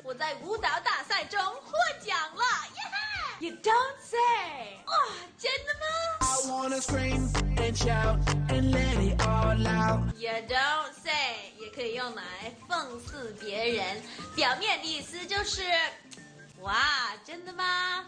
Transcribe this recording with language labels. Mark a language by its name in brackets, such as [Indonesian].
[Chinese] 我在舞蹈大赛中获奖了! [English] Yeah! You don't say! Oh, [Chinese] 真的吗? [English] I wanna scream and shout and let it all out! You don't say! [Chinese] 也可以用来讽刺别人，表面的意思就是哇，真的吗?